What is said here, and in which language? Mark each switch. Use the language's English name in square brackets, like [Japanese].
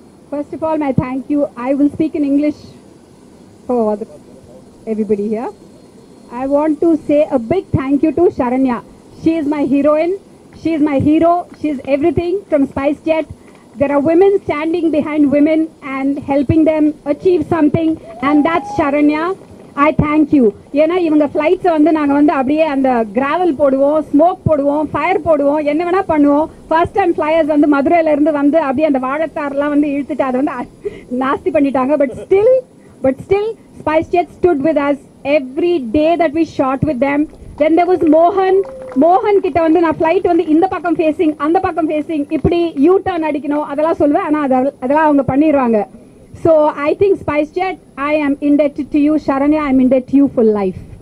[English] First of all, my thank you. I will speak in English for everybody here. I want to say a big thank you to Sharanya. She is my heroine. She is my hero. She is everything from Spice Jet. There are women standing behind women and helping them achieve something. And that's Sharanya. I thank you. [Tamil] ஏன்னா இவங்க flights வந்து நாங்கள் வந்து அப்படியே அந்த gravel போடுவோம், smoke போடுவோம், fire போடுவோம், என்ன வேணால் பண்ணுவோம். ஃபர்ஸ்ட் டைம் ஃப்ளையர்ஸ் வந்து மதுரையிலேருந்து வந்து அப்படியே அந்த வாழைத்தாரெலாம் வந்து இழுத்துட்டு அதை வந்து நாஸ்தி பண்ணிட்டாங்க. [English] But still spice jet stood with us every day that we shot with them. Then there was [Tamil] மோகன் கிட்ட வந்து நான் ஃப்ளைட் வந்து இந்த பக்கம் ஃபேசிங், அந்த பக்கம் ஃபேசிங், இப்படி யூ டர்ன் அடிக்கணும் அதெல்லாம் சொல்லுவேன். ஆனால் அதெல்லாம் அவங்க பண்ணிடுவாங்க. [English] So I think Spice Jet, I am indebted to you. Sharanya, I am indebted to you for life.